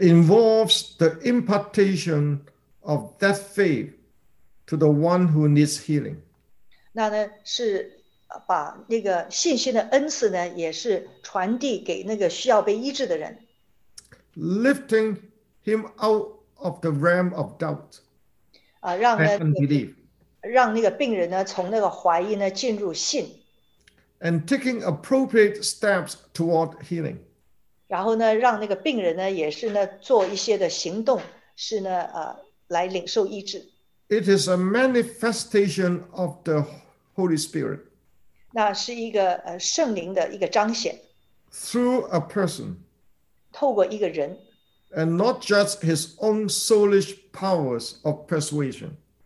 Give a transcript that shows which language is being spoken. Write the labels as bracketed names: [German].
[English] involves the impartation of that faith to the one who needs healing. [Chinese] 那呢是把那个信心的恩赐呢，也是传递给那个需要被医治的人。 [English] Lifting him out of the realm of doubt and unbelief. [Chinese] 让那个病人呢，从那个怀疑呢，进入信。 [English] And taking appropriate steps toward healing. [Chinese] 然后呢，让那个病人呢，也是呢，做一些的行动，是呢，来领受医治。 [English] It is a manifestation of the Holy Spirit. [Chinese] 那是一个圣灵的一个彰显。 [English] Through a person. [Chinese] 透过一个人。 [English] And not just his own soulish powers of persuasion.